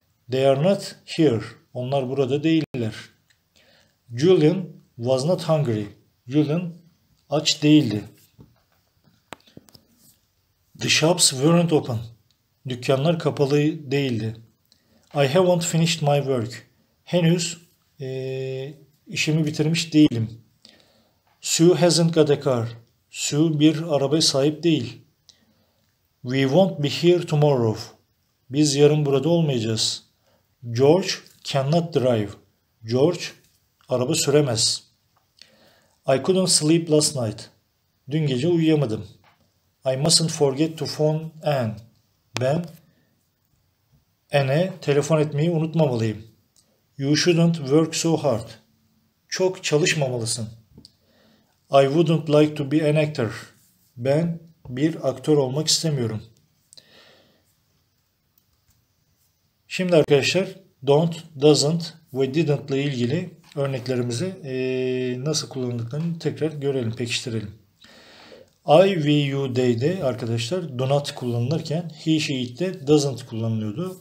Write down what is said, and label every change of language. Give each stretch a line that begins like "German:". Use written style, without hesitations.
English: They are not here.
Turkish: Onlar burada değiller.
English: Julian was not hungry.
Turkish: Julian aç değildi.
English: The shops weren't open.
Turkish: Dükkanlar kapalı değildi.
English: I haven't finished my work.
Turkish: Henüz işimi bitirmiş değilim.
English: Sue hasn't got a car.
Turkish: Sue bir arabaya sahip değil.
English: We won't be here tomorrow.
Turkish: Biz yarın burada olmayacağız.
English: George cannot drive.
Turkish: George araba süremez.
English: I couldn't sleep last night.
Turkish: Dün gece uyuyamadım.
English: I mustn't forget to phone Anne.
Turkish: Ben Anne'e telefon etmeyi unutmamalıyım.
English: You shouldn't work so hard.
Turkish: Çok çalışmamalısın.
English: I wouldn't like to be an actor.
Turkish: Ben bir aktör olmak istemiyorum. Şimdi arkadaşlar don't, doesn't ve didn't ile ilgili örneklerimizi nasıl kullandıklarını tekrar görelim, pekiştirelim. I, we, you, they'de arkadaşlar do not kullanılırken he, she, it'de doesn't kullanılıyordu.